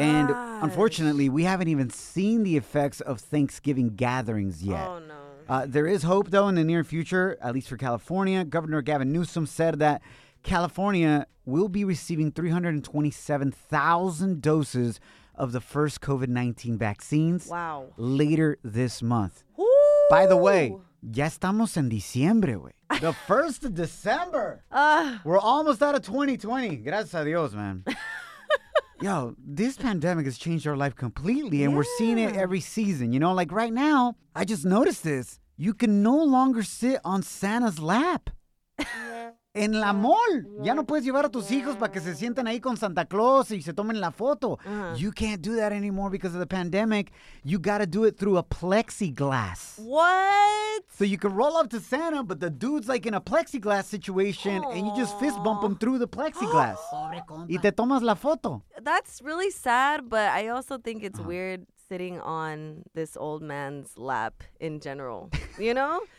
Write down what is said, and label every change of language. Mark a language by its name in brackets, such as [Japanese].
[English] And unfortunately, we haven't even seen the effects of Thanksgiving gatherings yet. Oh no. There is hope, though, in the near future, at least for California. Governor Gavin Newsom said that California will be receiving 327,000 doses of the first COVID-19 vaccines later this month. Ooh. By the way, [Spanish] ya estamos en diciembre, güey. [English] The 1st of December. We're almost out of 2020. [Spanish] Gracias a Dios, man. [English] Yo, this pandemic has changed our life completely, and we're seeing it every season. You know, like right now, I just noticed this. You can no longer sit on Santa's lap. [Spanish] En la mall. Ya no puedes llevar a tus hijos para que se sientan ahí con Santa Claus y se tomen la foto. Uh-huh. [English] You can't do that anymore because of the pandemic. You got to do it through a plexiglass. What? So you can roll up to Santa, but the dude's like in a plexiglass situation and you just fist bump him through the plexiglass. [Spanish] Y te tomas la foto. [English] That's really sad, but I also think it's weird sitting on this old man's lap in general, you know?